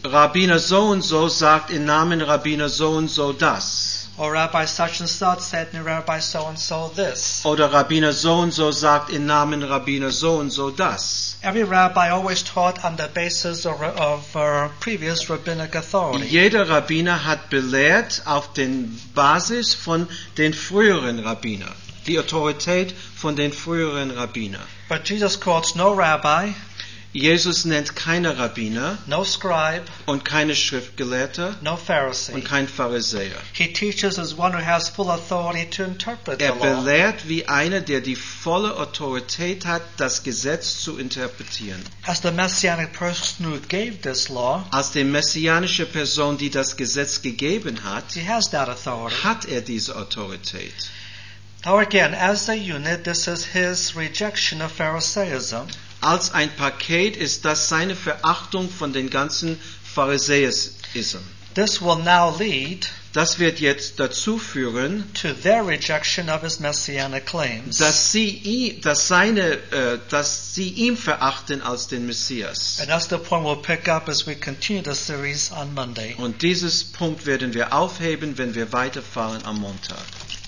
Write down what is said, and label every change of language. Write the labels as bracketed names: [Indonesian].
[German] Rabbiner so und so sagt im Namen Rabbiner so und so das. [English] Or Rabbi such and such said in Rabbi so and so this. [German] Oder Rabbiner so und so sagt im Namen Rabbiner so und so das. [English] Every rabbi always taught on the basis of previous rabbinic authority. [German] Jeder Rabbiner hat belehrt auf den Basis von den früheren Rabbiner. Die Autorität von den früheren Rabbiner. [English] But Jesus quotes no rabbi. [German] Jesus nennt keine Rabbiner, [English] no scribe, [German] und keine Schriftgelehrter, [English] no Pharisee, [German] und kein Pharisäer. [English] He teaches as one who has full authority to interpret the law. [German] Er belehrt wie einer, der die volle Autorität hat, das Gesetz zu interpretieren. [English] As the messianic person who gave this law, [German] als die messianische Person, die das Gesetz gegeben hat, [English] he has that authority. [German] Hat er diese Autorität. [English] Now again, as a unit, this is his rejection of Pharisaism. [German] Als ein Paket ist das seine Verachtung von den ganzen Pharisäismen. [English] This will now lead, [German] das wird jetzt dazu führen, [English] to their rejection of his messianic claims. [German] Dass sie ihn verachten als den Messias. [English] And that's the point we'll pick up as we continue the series on Monday. [German] Und dieses Punkt werden wir aufheben, wenn wir weiterfahren am Montag.